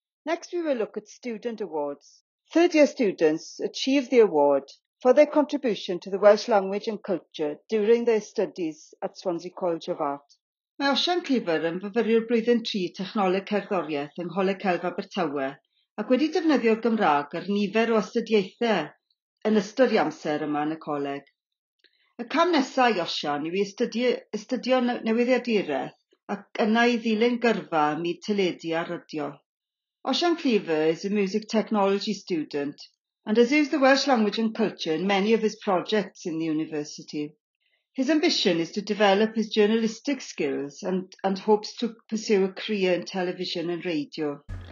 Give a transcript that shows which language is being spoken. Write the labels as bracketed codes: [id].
[en] Next, we will look at student awards. Third-year students achieve the award for their contribution to the Welsh language and culture during their studies at Swansea College of Art. [cy] Mae Osian Clifer yn fyfyrwyr blwyddyn 3 Technoleg Cerddoriaeth yng Ngholeg Celf Abertawe ac wedi defnyddio Gymraeg ar nifer o astudiaethau yn ystod ei amser yma yn y coleg. Y cam nesaf, Osian, yw I astudio newyddiaduraeth ac yna I ddilyn gyrfa myd teledu a radio. [en] Osian Clifer is a music technology student and has used the Welsh language and culture in many of his projects in the university. His ambition is to develop his journalistic skills and hopes to pursue a career in television and radio.